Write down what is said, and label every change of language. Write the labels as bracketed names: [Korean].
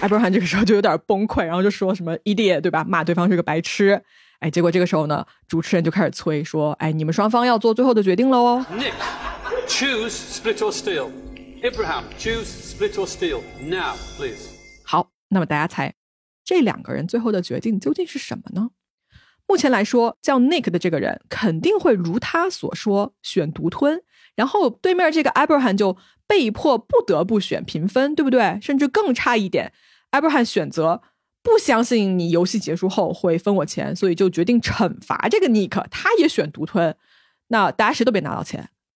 [Chinese] Abraham 这个时候就有点崩溃，然后就说什么 idiot 对吧，骂对方是个白痴。哎，结果这个时候呢，主持人就开始催说，哎，你们双方要做最后的决定了哦。 [English] Nick, choose split or steal. Abraham, choose split or steal now, please. [Chinese] 好，那么大家猜，这两个人最后的决定究竟是什么呢？目前来说，叫 Nick 的这个人肯定会如他所说选独吞，然后对面这个 Abraham 就被迫不得不选平分，对不对？甚至更差一点， Abraham 选择不相信你游戏结束后会分我钱，所以就决定惩罚这个 Nick， 他也选独吞，那大家谁都别拿到钱。